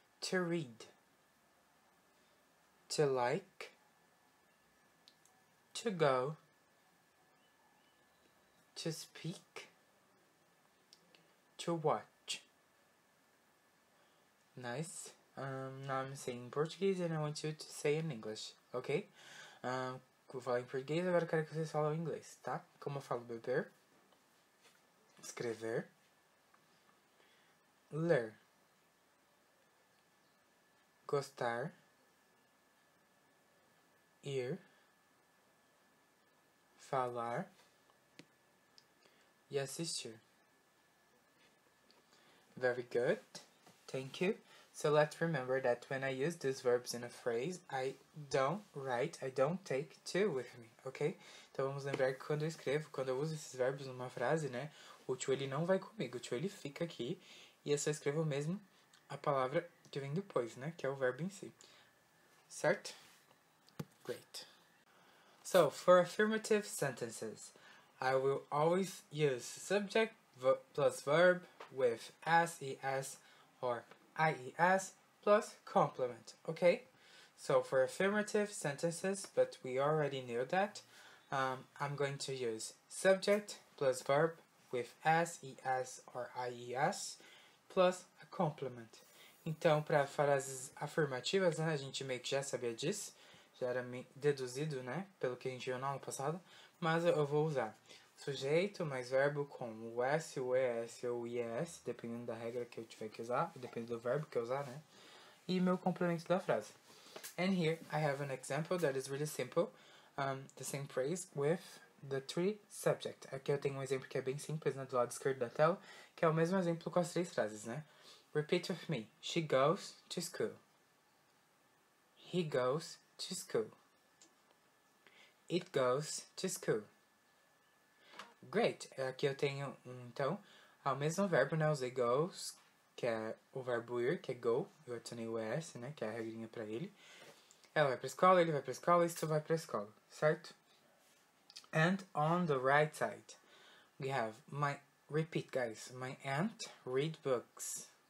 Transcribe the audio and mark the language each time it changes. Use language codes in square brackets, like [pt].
[en] To read, to like, to go, to speak, to watch. Nice. Now I'm saying in Portuguese and I want you to say in English, ok? [pt] Vou falar em português, agora quero que vocês falem em inglês, tá? Como eu falo beber, escrever, ler. Gostar, ir, falar e assistir. [en] Very good, thank you. So let's remember that when I use these verbs in a phrase, I don't write, I don't take to with me, ok? [pt] Então vamos lembrar que quando eu escrevo, quando eu uso esses verbos numa frase, né? O to ele não vai comigo, o to ele fica aqui e eu só escrevo mesmo a palavra que vem depois, né? Que é o verbo em si. Certo? Great. [en] So, for affirmative sentences, I will always use subject plus verb with SES or IES plus complement, ok? So, for affirmative sentences, but we already knew that, I'm going to use subject plus verb with SES or IES plus complement. [pt] Então, para frases afirmativas, né, a gente meio que já sabia disso. Já era deduzido, né, pelo que a gente viu na aula passada. Mas eu vou usar sujeito mais verbo com o S, o ES ou o IES, dependendo da regra que eu tiver que usar, dependendo do verbo que eu usar, né? E meu complemento da frase. [en] And here I have an example that is really simple. The same phrase with the three subject. [pt] Aqui eu tenho um exemplo que é bem simples, né, do lado esquerdo da tela, que é o mesmo exemplo com as três frases, né? [en] Repeat with me. She goes to school. He goes to school. It goes to school. Great! [pt] Aqui eu tenho, então, o mesmo verbo, né, usei goes, que é o verbo ir, que é go, eu adicionei o S, né, que é a regrinha pra ele. Ela vai pra escola, ele vai pra escola, isso vai pra escola, certo? [en] And on the right side, we have my, repeat guys, my aunt read books.